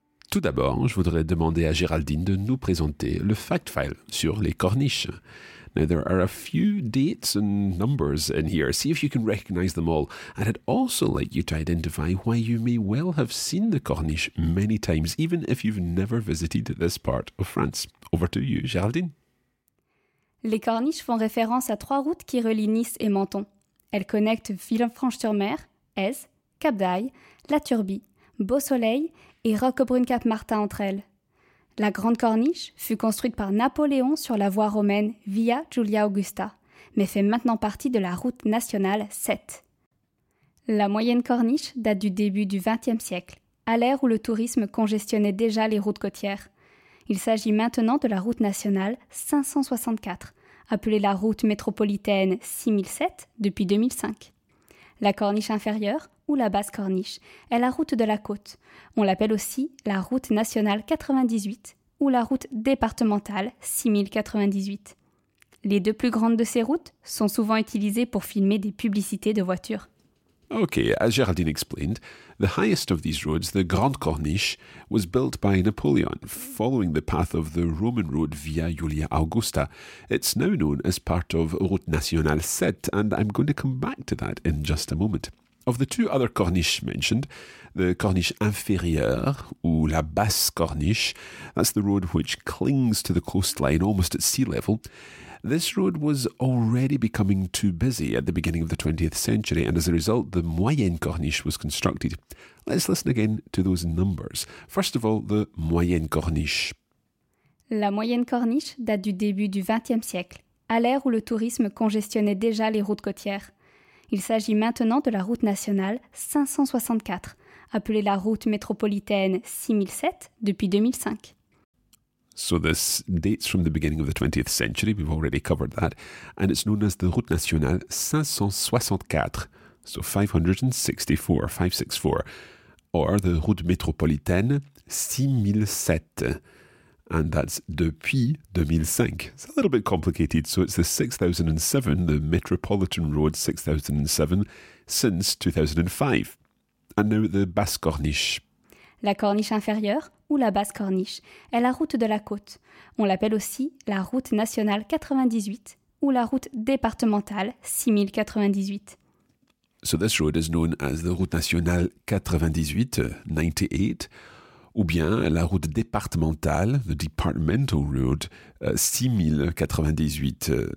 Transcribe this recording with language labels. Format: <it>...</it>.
<fr>Tout d'abord, je voudrais demander à Géraldine de nous présenter le fact file sur les corniches.</fr> <en>Now, there are a few dates and numbers in here. See if you can recognize them all. And I'd also like you to identify why you may well have seen the Corniche many times, even if you've never visited this part of France. Over to you, Géraldine.</en> <fr>Les Corniches font référence à trois routes qui relient Nice et Menton. Elles connectent Villefranche-sur-Mer, Aize, Cap d'Ail, La Turbie, Beausoleil et Roquebrune-Cap-Martin entre elles. La Grande Corniche fut construite par Napoléon sur la voie romaine Via Giulia Augusta, mais fait maintenant partie de la route nationale 7. La moyenne corniche date du début du XXe siècle, à l'ère où le tourisme congestionnait déjà les routes côtières. Il s'agit maintenant de la route nationale 564, appelée la route métropolitaine 6007 depuis 2005. La corniche inférieure, ou la basse corniche, est la route de la côte. On l'appelle aussi la route nationale 98 ou la route départementale 6098. Les deux plus grandes de ces routes sont souvent utilisées pour filmer des publicités de voitures.</fr> <en>Ok, as Géraldine explained, the highest of these roads, the Grande Corniche, was built by Napoleon, following the path of the Roman road Via Julia Augusta. It's now known as part of Route Nationale 7, and I'm going to come back to that in just a moment. Of the two other corniches mentioned, the</en> <fr>corniche inférieure, ou la basse corniche,</fr> <en>that's the road which clings to the coastline almost at sea level, this road was already becoming too busy at the beginning of the 20th century, and as a result, the moyenne corniche was constructed. Let's listen again to those numbers. First of all, the moyenne corniche.</en> <fr>La moyenne corniche date du début du XXe siècle, à l'ère où le tourisme congestionnait déjà les routes côtières. Il s'agit maintenant de la route nationale 564, appelée la route métropolitaine 6007 depuis 2005.</fr> <en>So this dates from the beginning of the 20th century, we've already covered that, and it's known as the route nationale 564, so 564, 564, or the route métropolitaine 6007, and that's</en> <fr>depuis</fr> <en>2005. It's a little bit complicated. So it's the 6007, the Metropolitan Road 6007, since 2005. And now the Basse Corniche.</en> <fr>La Corniche inférieure, ou la Basse Corniche, est la route de la côte. On l'appelle aussi la route nationale 98, ou la route départementale 6098.</fr> <en>So this road is known as the route nationale 98,</en> <fr>ou bien la route départementale,</fr> <en>the departmental road, 6098.</en>